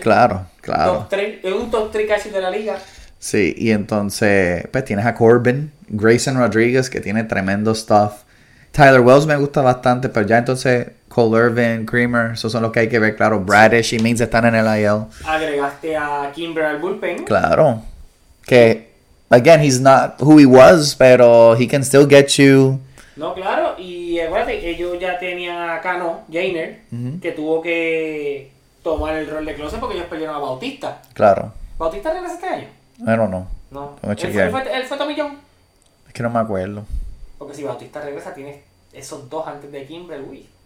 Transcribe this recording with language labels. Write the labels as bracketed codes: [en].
[es] Claro, claro. Es un top 3 catcher de la liga. Sí, y entonces, pues tienes a Corbin, Grayson Rodriguez, que tiene tremendo stuff. Tyler Wells me gusta bastante, pero ya entonces, Cole Irvin, Creamer, esos son los que hay que ver, claro. Bradish y Means están en el IL. Agregaste a Kimber al bullpen. Claro. Que, [en] again, he's not who he was, [es] pero [en] he can still get you. [es] No, claro. Y acuérdate, ellos ya tenían a Cano, Jainer, que tuvo que tomar el rol de closer porque ellos perdieron a Bautista. Claro. ¿Bautista regresa este año? No. ¿Él fue Tommy John? Es que no me acuerdo. Porque si Bautista regresa, tiene esos dos antes de Kimbrel, uy.